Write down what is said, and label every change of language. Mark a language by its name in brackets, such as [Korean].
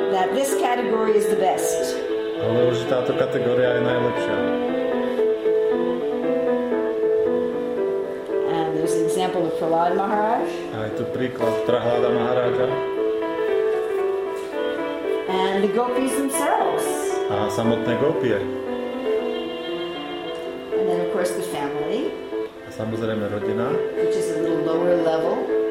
[English] This category is the best. [Slovak] Ale už táto kategória je najlepšia. [English] And there's an example of Prahlada Maharaj. [Slovak] A je tu príklad Prahlada Maharaja. [English] And the gopis themselves. [Slovak] A samotné gopie. [English] And then of course the family. [Slovak] A samozrejme rodina. [English] Which is a little lower level.